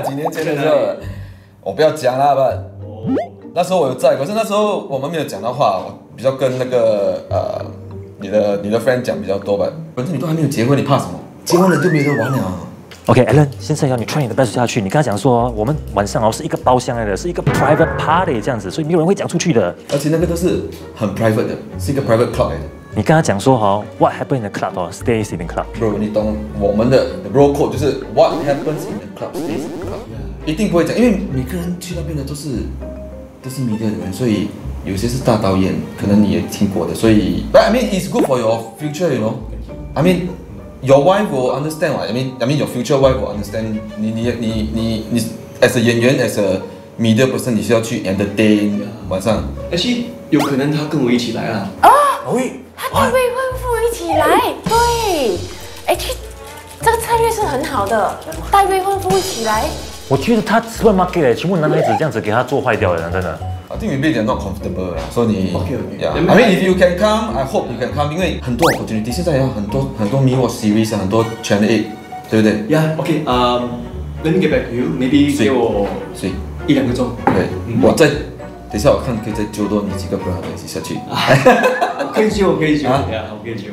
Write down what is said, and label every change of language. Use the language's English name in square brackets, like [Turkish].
[Chinese] 几年前的时候，我不要讲了吧。那时候我有在，可是那时候我们没有讲到话，我比较跟那个你的 friend 讲比较多吧。反正你都还没有结婚，你怕什么？结婚了就没得玩了。 OK，Alan， 现在要你 try 你的 best 下去。你刚才讲说，我们晚上是一个包厢来的，是一个 private party 这样子，所以没有人会讲出去的。而且那个都是很 private 的，是一个 private club 来的。你刚才讲说 what happens in the club stays in the club。 Bro， 你懂我们的 rule code 就是 what happens in the club stays in the club。一定不会讲，因为每个人去那边的都是迷的人，所以有些是大导演，可能你也听过的，所以 But I mean it's good for your future， you know？ I mean。 [English] Your wife will understand what I mean. Your future wife will understand. [Chinese] 你 as a 演员 as a media person, 你需要去 entertain 晚上。而且有可能他跟我一起来啊。啊，喂，他跟未婚夫一起来，对。其实这个策略是很好的，带未婚夫一起来。我觉得他 supermarket 全部男孩子这样子给他做坏掉了，真的。 [English] I think maybe they're not comfortable, so you. Okay. I mean, if you can come, I hope you can come. [Chinese] 因为很多 opportunity 现在有很多 Mirror series 很多 Channel 8，对不对？ [English] Yeah. Okay. Let me get back to you. Maybe 给我 [Chinese] 谁一两个钟。对，我再等一下，我看可以再揪多你几个 brother 一起下去。可以揪，可以揪。啊，可以揪。